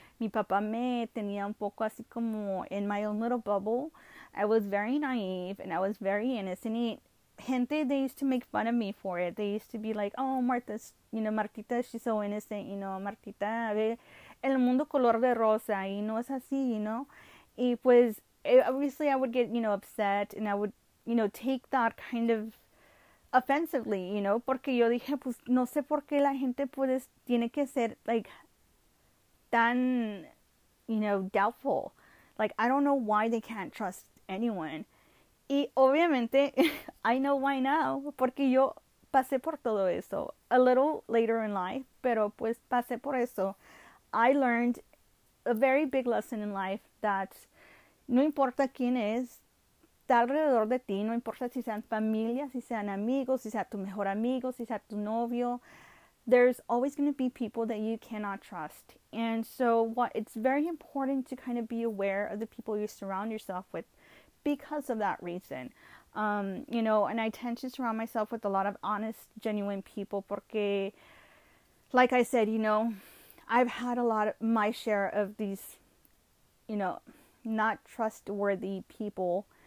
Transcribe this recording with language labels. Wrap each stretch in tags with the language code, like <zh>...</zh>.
<es>Mi papá me tenía un poco así como</es> <en>in my own little bubble. I was very naive and I was very innocent. Gente, they used to make fun of me for it. They used to be like, oh, Martha's, Martita, she's so innocent, Martita,</en> <es>a ver, el mundo color de rosa, y no es así,</es> <en>Y pues, obviously, I would get, upset and I would, take that kind of offensively,</en> <es>porque yo dije, pues no sé por qué la gente pues tiene que ser</es> <en>like tan, doubtful. Like, I don't know why they can't trust anyone.</en> <es>Y obviamente,</es> <en>I know why now,</en> <es>porque yo pasé por todo eso</es> <en>a little later in life,</en> <es>pero pues pasé por eso.</es> <en>I learned a very big lesson in life that</en> <es>No importa quién es, está alrededor de ti, no importa si sean familia, si sean amigos, si sea tu mejor amigo, si sea tu novio.</es> <en>There's always going to be people that you cannot trust. And so what it's very important to kind of be aware of the people you surround yourself with because of that reason. And I tend to surround myself with a lot of honest, genuine people porque, like I said, I've had a lot of my share of these, not trustworthy people.</en>